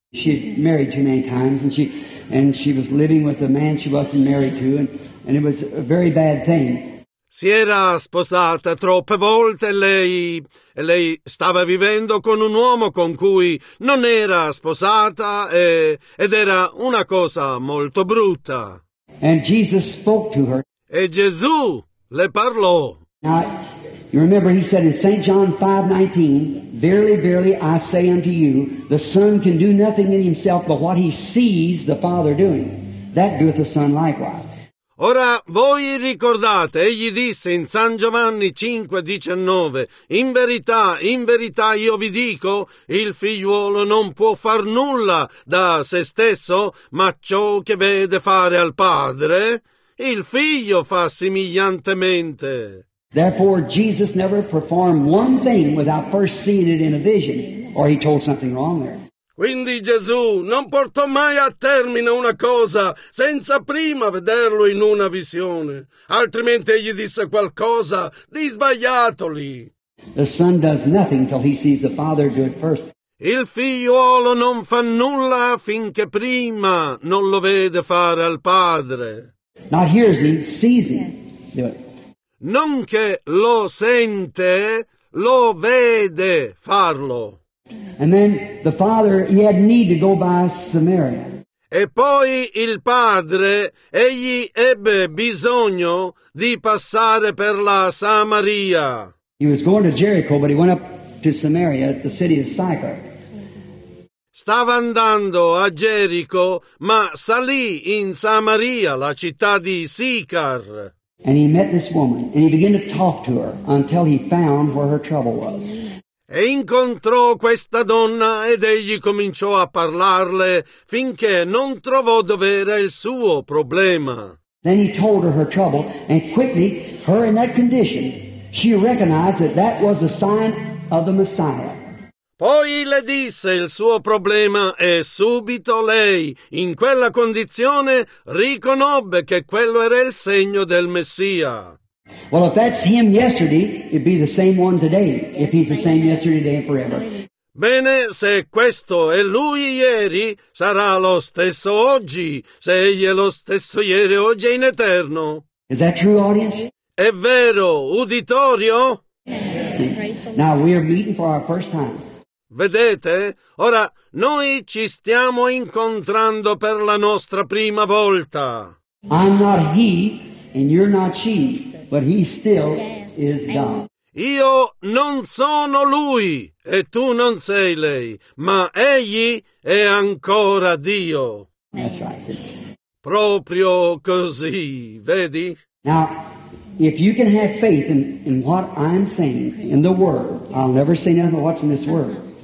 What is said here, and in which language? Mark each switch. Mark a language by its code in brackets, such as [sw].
[en] She had married too many times, and she was living with a man she wasn't married to, and it was a very bad thing. [it] Si era sposata troppe volte e lei stava vivendo con un uomo con cui non era sposata ed era una cosa molto brutta. [en] And Jesus spoke to her. [it] E Gesù le parlò. [en] Now, you remember he said in St. John 5:19, verily, verily, I say unto you, the Son can do nothing in himself but what he sees the Father doing. That doeth the Son likewise. [it] Ora, voi ricordate, egli disse in San Giovanni 5:19, in verità io vi dico, il figliuolo non può far nulla da se stesso, ma ciò che vede fare al padre, il figlio fa similiantemente. [en] Therefore Jesus never performed one thing without first seeing it in a vision, or he told something wrong there. [it] Quindi Gesù non portò mai a termine una cosa senza prima vederlo in una visione, altrimenti egli disse qualcosa di sbagliato lì. [en] The son does nothing till he sees the father do it first. [it] Il figliuolo non fa nulla finché prima non lo vede fare al padre. [en] Not hears him, sees him. [it] Non che lo sente, lo vede farlo. [en] And then the father, he had need to go by Samaria. [it] E poi il padre, egli ebbe bisogno di passare per la Samaria. [en] He was going to Jericho, but he went up to Samaria, the city of Sychar. [it] Stava andando a Gerico, ma salì in Samaria, la città di Sicar. [en] And he met this woman, and he began to talk to her until he found where her trouble was. [it] E incontrò questa donna ed egli cominciò a parlarle finché non trovò dove era il suo problema. [en] Then he told her trouble, and quickly, her in that condition, she recognized that that was a sign of the Messiah. [it] Poi le disse il suo problema e subito lei, in quella condizione, riconobbe che quello era il segno del Messia. [en] Well, if that's him yesterday, it'd be the same one today, if he's the same yesterday, today, and forever. [it] Bene, se questo è lui ieri, sarà lo stesso oggi, se egli è lo stesso ieri, oggi e in eterno. [en] Is that true, audience? [it] È vero, uditorio? [en] See, now we are meeting for our first time. [it] Vedete, ora noi ci stiamo incontrando per la nostra prima volta. [en] I'm not he, and you're not she. But he still is God. [it] Io non sono lui e tu non sei lei, ma egli è ancora Dio. [en] That's right. [it] Proprio così, vedi? [en] Now, if you can have faith in what I'm saying, in the Word, I'll never say nothing but what's in this Word.